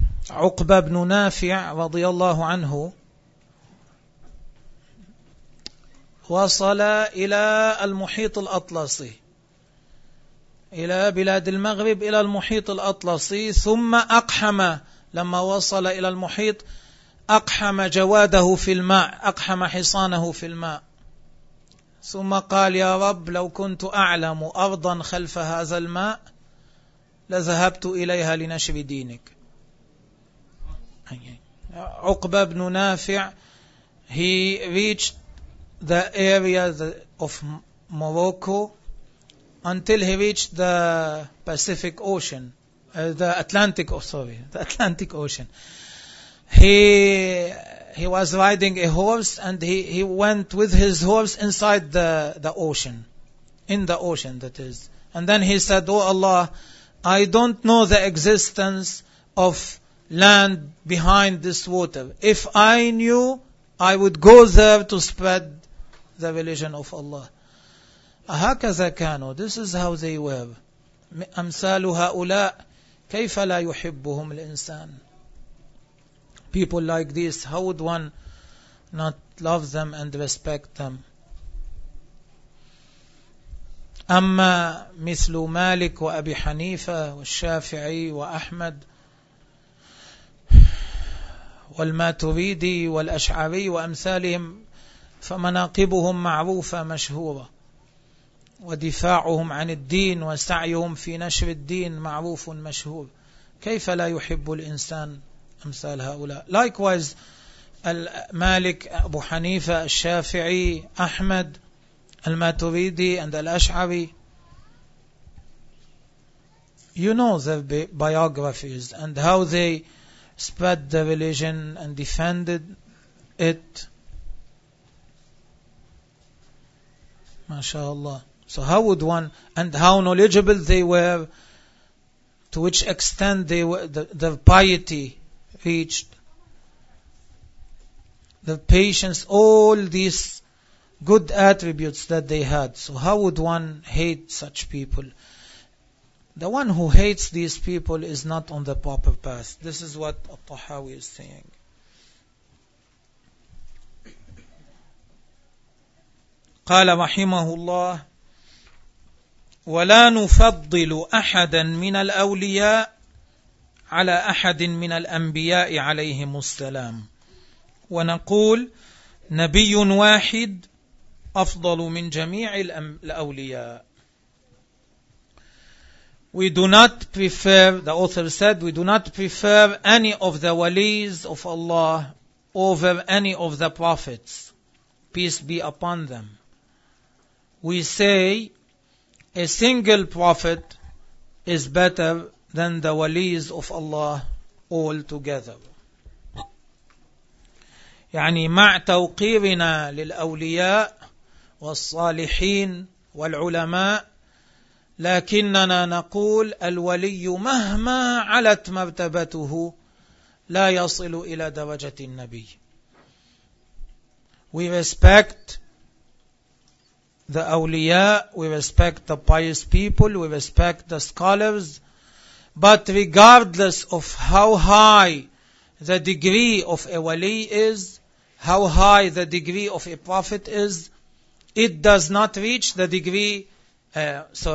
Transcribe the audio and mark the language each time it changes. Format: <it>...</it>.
<ar>عقبة بن نافع رضي الله عنه وصل إلى المحيط الأطلسي إلى بلاد المغرب إلى المحيط الأطلسي ثم أقحم لما وصل إلى المحيط أقحم جواده في الماء أقحم حصانه في الماء ثم قال يا رب لو كنت أعلم أرضا خلف هذا الماء لذهبت إليها لنشر دينك.</ar> <en>عقبة بن نافع he reached the area of Morocco until he reached the Pacific Ocean, the Atlantic Ocean. He was riding a horse and he went with his horse inside the ocean, in the ocean that is. And then he said, oh Allah, I don't know the existence of land behind this water. If I knew, I would go there to spread the religion of Allah.</en> <ar>هكذا كانوا.</ar> <en>This is how they were.</en> <ar>أمثال هؤلاء كيف لا يحبهم الإنسان.</ar> <en>People like this, how would one not love them and respect them.</en> <ar>أما مثل مالك وأبي حنيفة والشافعي وأحمد والماتريدي والأشعري وأمثالهم فمناقبهم معروفة مشهورة، ودفاعهم عن الدين وسعيهم في نشر الدين معروف مشهور. كيف لا يحب الإنسان أمثال هؤلاء؟ Likewise المالك، أبو حنيفة، الشافعي، أحمد، الماتريدي and الأشعري.</ar> <en>You know their biographies and how they spread the religion and defended it. MashaAllah. So how would one, and how knowledgeable they were, to which extent they were, their piety reached, their patience, all these good attributes that they had. So how would one hate such people? The one who hates these people is not on the proper path. This is what At-Tahawi is saying.</en> <ar>قال رحمه الله ولا نفضل أحدا من الأولياء على أحد من الأنبياء عليهم السلام ونقول نبي واحد أفضل من جميع الأولياء.</ar> <en>We do not prefer, the author said, we do not prefer any of the walis of Allah over any of the prophets, peace be upon them. We say a single prophet is better than the walis of Allah all together.</en> <ar>يعني مع توقيرنا للأولياء والصالحين والعلماء لكننا نقول الولي مهما علت مرتبته لا يصل إلى درجة النبي.</ar> <en>We respect the awliya, we respect the pious people, we respect the scholars, but regardless of how high the degree of a wali is, how high the degree of a prophet is, it does not reach the degree, how</en>